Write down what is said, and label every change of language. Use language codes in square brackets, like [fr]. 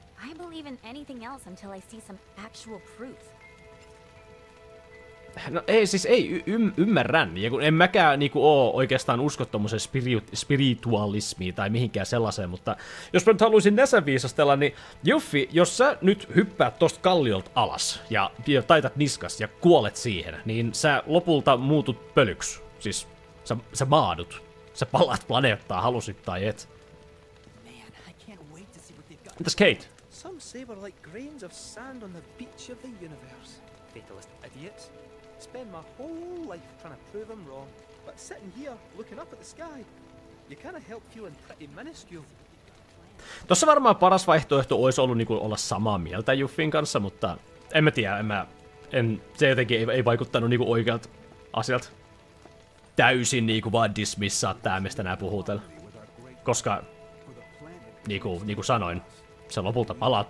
[en] I believe in anything else until I see some actual proof. [fi] No ei, siis ei, ymmärrän. Ja kun en mäkään niinku oo oikeastaan usko tommoseen spiritualismiin tai mihinkään sellaiseen, mutta jos mä nyt haluaisin näsä viisastella, niin Juffi, jos sä nyt hyppäät tosta kalliolta alas ja taitat niskas ja kuolet siihen, niin sä lopulta muutut pölyks. Siis sä maadut. Sä palaat planeettaan, halusit tai et. Entäs Kate? [en] Some say we're like grains of sand on the beach of the universe. Fatalist idiots. Spend my whole life trying to prove I'm wrong. But sitting here, looking up at the sky, you kind of help feeling pretty minuscule. [fi] Tossa varmaan paras vaihtoehto olisi ollut niinku olla samaa mieltä Juffin kanssa, mutta en mä tiedä, se jotenkin ei vaikuttanut niinku oikealta asialta. Täysin niinku vaan dismissaa tää, mistä nää puhuu täällä. Koska niinku sanoin, sä lopulta palaat